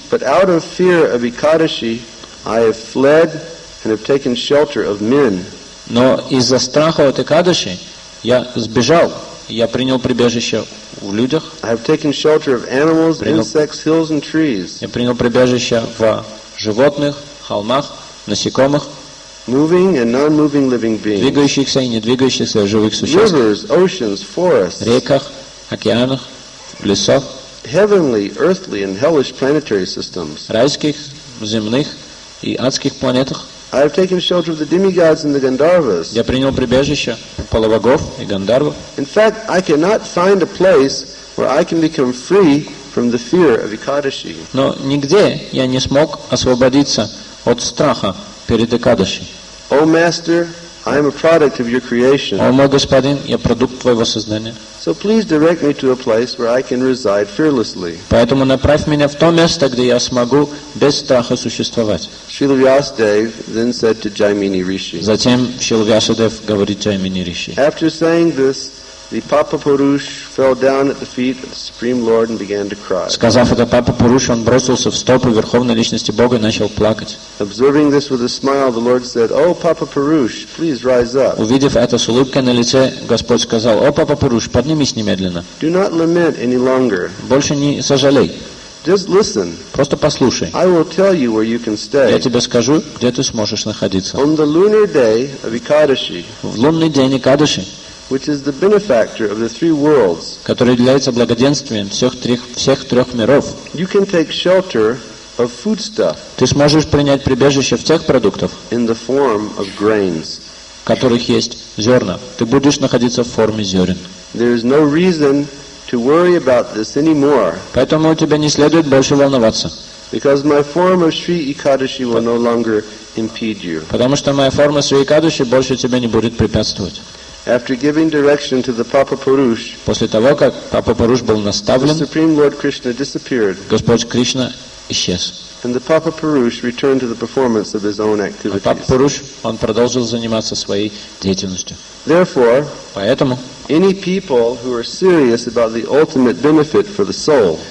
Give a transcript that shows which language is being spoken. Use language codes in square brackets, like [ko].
[en] But out of fear of Ekadashi, I have fled and have taken shelter of men. [ru] Но из-за страха от Экадаши я сбежал, я принял прибежище в людях. [en] I have taken shelter of animals, insects, hills and trees. [ru] Я принял прибежище в животных, холмах, насекомых. [en] Moving and non-moving living beings. [ru] Двигающихся и не двигающихся живых существ. [en] Rivers, oceans, forests. [ru] Реках, океанах, в лесах, [en] heavenly, earthly, and hellish planetary systems. [ru] Райских, земных и адских планетах. [en] I have taken shelter of the demigods and the Gandharvas. [ru] Я принял прибежище половогов и Гандарва. [en] In fact, I cannot find a place where I can become free from the fear of Ekadashi. [ru] Но нигде я не смог освободиться от страха перед Экадаши. [en] O Master, I am a product of your creation. [ru] О мой господин, я продукт твоего создания. [en] So please direct me to a place where I can reside fearlessly. [ru] Поэтому направь меня в то место, где я смогу без страха существовать. [en] Srila Vyasadeva then said to Jaimini Rishi. [ru] Затем Шрила Вьясадев говорит Джаймини Риши. [en] After saying this, the Papa Purush fell down at the feet of the Supreme Lord and began to cry. [ru] Сказав это, Папа Пуруш, он бросился в стопы Верховной Личности Бога и начал плакать. [en] Observing this with a smile, the Lord said, "Oh, Papa Purush, please rise up." [ru] Увидев это с улыбкой на лице, Господь сказал: "О, Папа Пуруш, поднимись немедленно." [en] Do not lament any longer. [ru] Больше не сожалей. [en] Just listen. [ru] Просто послушай. [en] I will tell you where you can stay. [ru] Я тебе скажу, где ты сможешь находиться. [en] On the lunar day of Ekadashi. [ru] В лунный день Экадаши. [en] Which is the benefactor of the three worlds? [ru] Который является благоденствием всех трех миров. [en] You can take shelter of foodstuff. [ru] Ты сможешь принять прибежище в тех продуктов. [en] In the form of grains. [ru] В которых есть зерна. Ты будешь находиться в форме зерен. [en] There is no reason to worry about this anymore. [ru] Поэтому тебе не следует больше волноваться. [en] Because my form of Sri Ekadashi will no longer impede you. [ru] Потому что моя форма Sri Ekadashi больше тебе не будет препятствовать. [en] After giving direction to the Papa Purush, [ru] после того как Папа Пуруш был наставлен, [en] the Supreme Lord Krishna disappeared. [ru] Господь Кришна исчез. [en] And the Papa Purush returned to the performance of his own activities. [ru] Папа Пуруш, он продолжил заниматься своей деятельностью. [en] Therefore, [ru] поэтому, [en] any people who are serious about the ultimate benefit for the soul,